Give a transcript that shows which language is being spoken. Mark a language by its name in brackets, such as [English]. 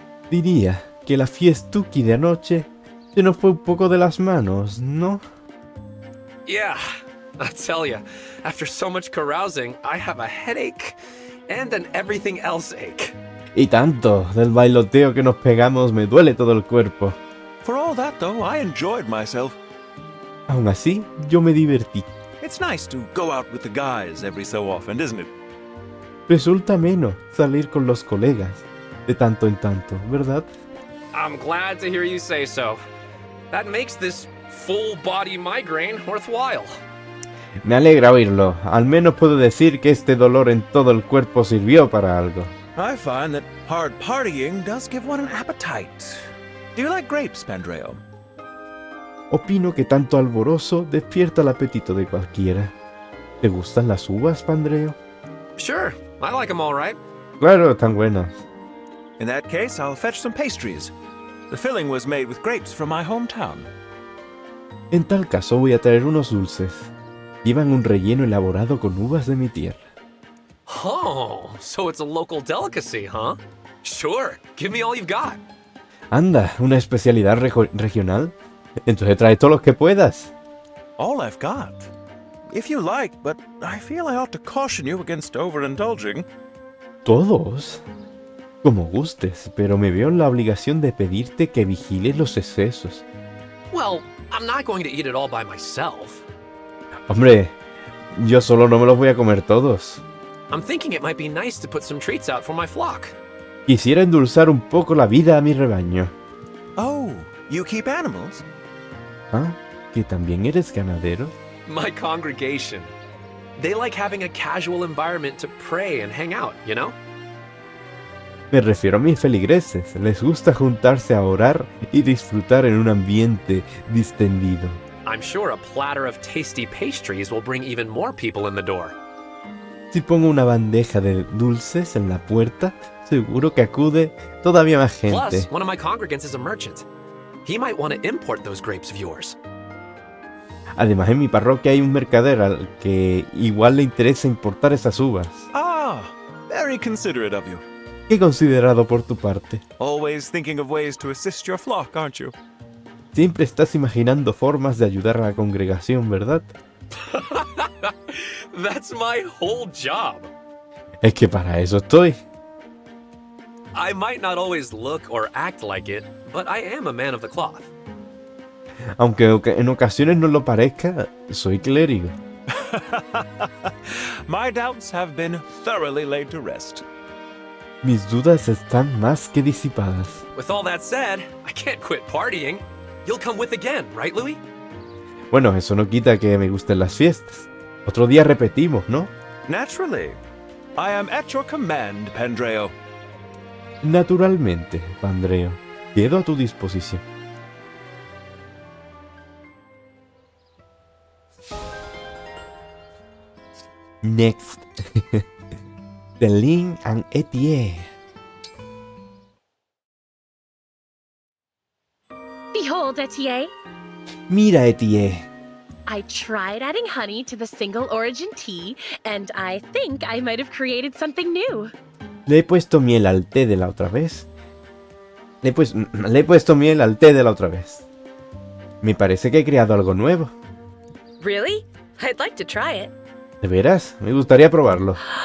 [Spanish] Diría que la fiestuki de anoche se nos fue un poco de las manos, ¿no? [English] Yeah, I tell ya, after so much carousing, I have a headache and an everything else ache. [Spanish] Y tanto, del bailoteo que nos pegamos me duele todo el cuerpo. [English] For all that though, I enjoyed myself. [Spanish] Aún así, yo me divertí. [English] It's nice to go out with the guys every so often, isn't it? [Spanish] Resulta menos salir con los colegas de tanto en tanto, ¿verdad? [English] I'm glad to hear you say so. That makes this full body migraine worthwhile. [Spanish] Me alegra oírlo. Al menos puedo decir que este dolor en todo el cuerpo sirvió para algo. [English] I find that hard partying does give one an appetite. Do you like grapes, Pandreo? [Spanish] Opino que tanto alboroso despierta el apetito de cualquiera. ¿Te gustan las uvas, Pandreo? [English] Sure, I like them all right. [Spanish] Claro, tan buenas. [English] In that case, I'll fetch some pastries. The filling was made with grapes from my hometown. [Spanish] En tal caso, voy a traer unos dulces. Llevan un relleno elaborado con uvas de mi tierra. [English] Oh, so it's a local delicacy, huh? Sure, give me all you've got. [Spanish] Anda, ¿una especialidad regional? Entonces trae todos los que puedas. [English] All I've got. If you like, but I feel I ought to caution you against overindulging. [Spanish] ¿Todos? Como gustes, pero me veo en la obligación de pedirte que vigiles los excesos. [English] Well, I'm not going to eat it all by myself. [Spanish] Hombre, yo solo no me los voy a comer todos. [English] I'm thinking it might be nice to put some treats out for my flock. [Spanish] Quisiera endulzar un poco la vida a mi rebaño. [English] Oh, you keep animals? [Spanish] ¿Ah? ¿Que también eres ganadero? [English] My congregation. They like having a casual environment to pray and hang out, you know? [Spanish] Me refiero a mis feligreses. Les gusta juntarse a orar y disfrutar en un ambiente distendido. [English] I'm sure a platter of tasty pastries will bring even more people in the door. [Spanish] Si pongo una bandeja de dulces en la puerta, seguro que acude todavía más gente. [English] Plus, one of my congregants is a merchant. He might want to import those grapes of yours. [Spanish] Además, en mi parroquia hay un mercader al que igual le interesa importar esas uvas. [English] Ah, very considerate of you. [Spanish] Qué considerado por tu parte. [English] Always thinking of ways to assist your flock, aren't you? [Spanish] Siempre estás imaginando formas de ayudar a la congregación, ¿verdad? [English] That's my whole job. [Spanish] Es que para eso estoy. [English] I might not always look or act like it, but I am a man of the cloth. [Spanish] Aunque en ocasiones no lo parezca, soy clérigo. [English] My doubts have been thoroughly laid to rest. [Spanish] Mis dudas están más que disipadas. [English] With all that said, I can't quit partying. You'll come with again, right, Louis? [Spanish] Bueno, eso no quita que me gusten las fiestas. Otro día repetimos, ¿no? [English] Naturally. I am at your command, Pandreo. [Spanish] Naturalmente, Pandreo. Quedo a tu disposición. [English] Next. Deline and Etienne. Behold, Etienne. [Spanish] Mira, Etienne. [English] I tried adding honey to the single origin tea, and I think I might have created something new. [Spanish] Le he puesto miel al té de la otra vez. Me parece que he creado algo nuevo. [English] Really? I'd like to try it. [Spanish] ¿De veras? Me gustaría probarlo.